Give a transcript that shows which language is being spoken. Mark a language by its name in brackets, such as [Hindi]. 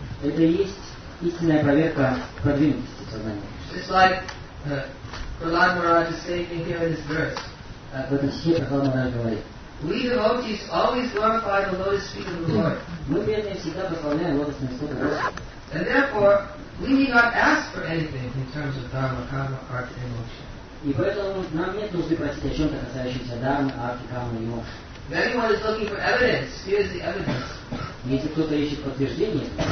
[Russian] Это и есть истинная проверка продвинутости сознания. В этом стихе Прохлад Махарадж говорит. [English] We devotees always glorify the lotus feet of the Lord. [Russian] Мы преданные всегда прославляем лотосные стопы Господа. [English] And therefore, we need not ask for anything in terms of dharma, karma, art, and moksha. [Russian] И поэтому нам нет нужды просить о чем-то касающемся дхармы, арти, кармы и мокши. [English] If anyone is looking for evidence, here is the evidence. [Russian] Если кто-то ищет подтверждение,